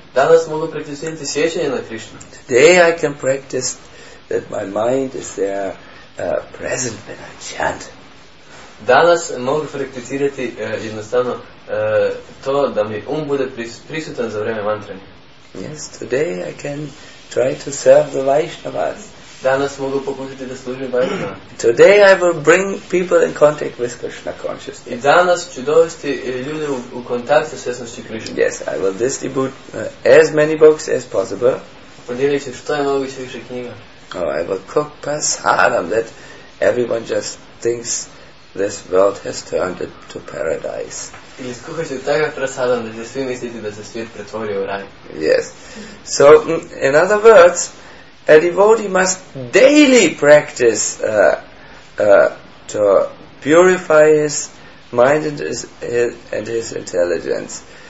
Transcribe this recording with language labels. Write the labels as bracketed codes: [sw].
[hr] Danas mogu prakticirati sjećanje na Krishna. [en] Today I can practice that my mind is there present when I chant. [hr] Danas mogu prakticirati jednostavno to da mi um bude prisutan za vrijeme mantranja. [en] Yes, today I can try to serve the Vaishnavas. [hr] Danas mogu pokušati da služim Vaishnavama. [en] Today I will bring people in contact with Krishna consciousness. [hr] I danas ću dovesti ljude u kontakt sa svjesnosti Krishna. [en] Yes, I will distribute as many books as possible. [hr] Podijelit ću što je moguće više knjiga. [en] Oh, I will cook prasadam that everyone just thinks this world has turned it to paradise. [hr] I skuhat ću takav prasadam da će svi misliti da se svijet pretvorio u raj. [en] Yes. So, in other words, a devotee must daily practice to purify his mind and his intelligence.